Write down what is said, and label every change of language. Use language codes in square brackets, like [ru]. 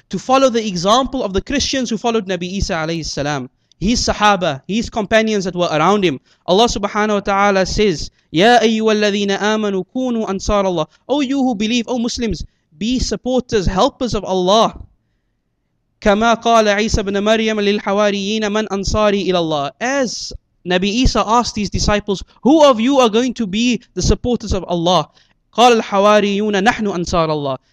[en] To follow the example of the Christians who followed Nabi Isa alayhi salam. His sahaba, his companions that were around him. Allah subhanahu wa ta'ala says, [ar] Ya ayyuha alladhina amanu kunu ansar Allah. [en] O you who believe, O Muslims, be supporters, helpers of Allah. [ar] كما قال عيسى بن مريم للحواريين من أنصاري إلى الله. [en] As Nabi Isa asked his disciples, who of you are going to be the supporters of Allah? [ar] قال الحواريون نحن أنصار الله.